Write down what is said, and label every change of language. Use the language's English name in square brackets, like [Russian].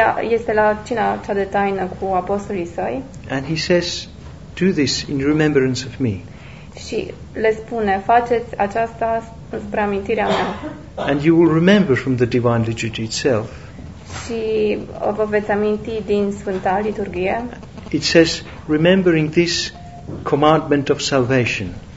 [Romanian] Este la cina cea de taină cu apostolii săi. [English] And he says, do this in remembrance of me. [Romanian] Și le spune, faceți aceasta spre amintirea mea. [English] And you will remember from the divine liturgy itself. [Romanian] Și vă veți aminti din Sfânta Liturghie. [English] It says, remembering this commandment of salvation.